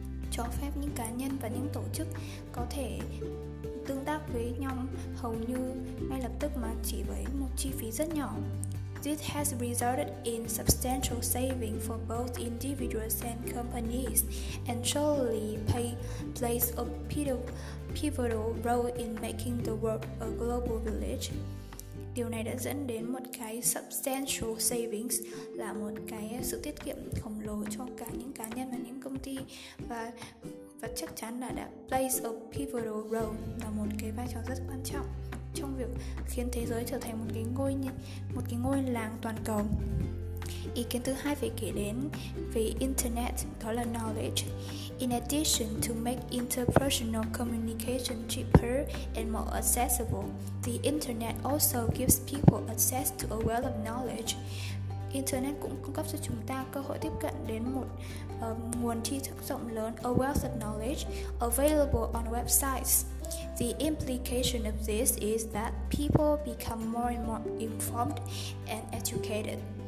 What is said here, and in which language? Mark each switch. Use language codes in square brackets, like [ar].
[vi] Cho phép những cá nhân và những tổ chức có thể tương tác với nhau hầu như ngay lập tức mà chỉ với một chi phí rất nhỏ. [en] This has resulted in substantial saving for both individuals and companies, and surely plays a pivotal role in making the world a global village. [vi] Điều này đã dẫn đến một cái [en] substantial savings, [vi] là một cái sự tiết kiệm khổng lồ cho cả những cá nhân và những công ty, và chắc chắn là đã [en] plays a pivotal role, [vi] là một cái vai trò rất quan trọng trong việc khiến thế giới trở thành một cái ngôi làng toàn cầu. Ý kiến thứ hai phải kể đến về internet đó là knowledge. [en] In addition to make interpersonal communication cheaper and more accessible, the internet also gives people access to a wealth of knowledge. [vi] Internet cũng cung cấp cho chúng ta cơ hội tiếp cận đến một nguồn tri thức rộng lớn, [en] a wealth of knowledge available on websites. The implication of this is that people become more and more informed and educated.